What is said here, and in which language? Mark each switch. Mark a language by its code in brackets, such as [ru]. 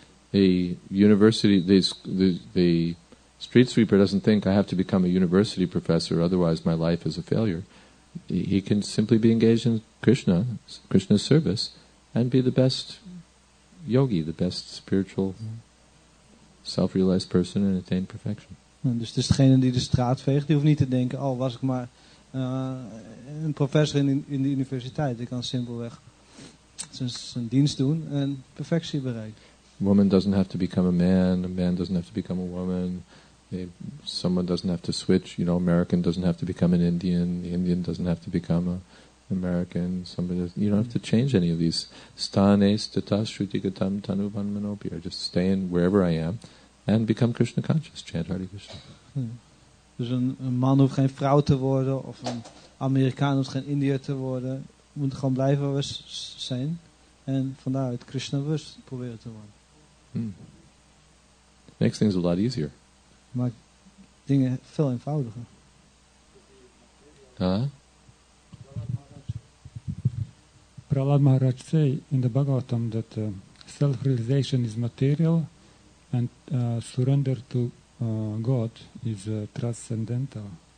[en] The university, the street sweeper doesn't think I have to become a university professor, otherwise my life is a failure. He can simply be engaged in Krishna's service, and be the best yogi, the best spiritual, self-realized person and attain perfection. [nl] Dus degene die de straat veegt, die hoeft niet te denken, oh, was ik maar een professor in de universiteit. Ik kan simpelweg zijn dienst doen en perfectie bereiken. [en] Woman doesn't have to become a man doesn't have to become a woman. Someone doesn't have to switch, you know, American doesn't have to become an Indian, the Indian doesn't have to become an American, somebody doesn't, you don't have to change any of these. [sa] Stane stata shruti gatam tanuban manopi, [en] or just stay in wherever I am and become Krishna conscious, chant Hare Krishna. [nl] Dus een man hoeft geen vrouw te worden, of een Amerikaan hoeft geen Indiër te worden, moet gewoon blijven waar we zijn en vandaaruit Krishna bewust proberen te worden. [en] Makes things a lot easier. [nl] Maakt dingen veel eenvoudiger. Huh? [en] Prahlad Maharaj say in the Bhagavatam that self-realization is material and surrender to God is transcendental.